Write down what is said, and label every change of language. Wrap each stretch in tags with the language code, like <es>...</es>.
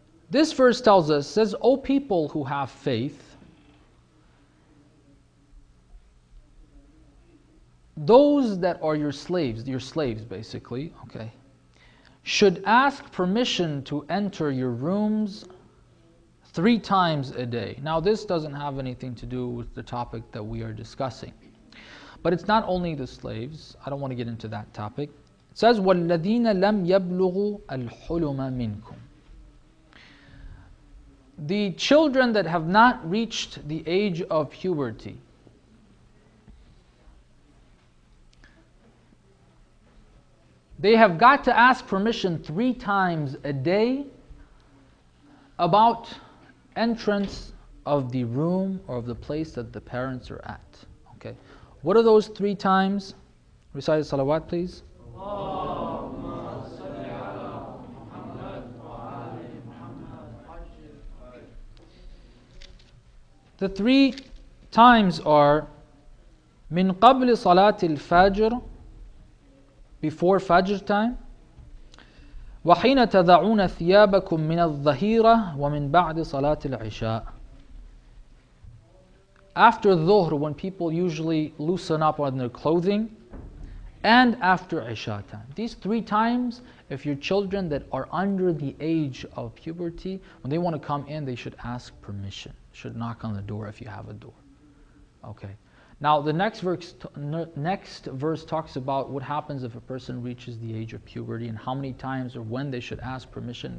<en>This verse tells us, says, O people who have faith, those that are your slaves basically, okay, should ask permission to enter your rooms three times a day. Now, this doesn't have anything to do with the topic that we are discussing. But it's not only the slaves. I don't want to get into that topic. It says,</en> <ar>وَالَّذِينَ لَمْ يَبْلُغُوا الْحُلُمَ مِنْكُمْ.</ar> <en>The children that have not reached the age of puberty. They have got to ask permission three times a day about entrance of the room or of the place that the parents are at. Okay. What are those three times? Recite the salawat, please.</en> <ar>Allahumma salli ala Muhammad wa ali Muhammad.</ar> <en>The three times are</en> <ar>min qabl salatil fajr,</ar> <en>before fajr time.</en> <ar>وحين تضعون ثيابكم من الظهيرة ومن بعد صلاة العشاء.</ar> <en>After dhuhr, when people usually loosen up on their clothing, and after isha time. These three times, if your children that are under the age of puberty, when they want to come in, they should ask permission. Should knock on the door if you have a door. Okay. Now the next verse talks about what happens if a person reaches the age of puberty and how many times or when they should ask permission.</en>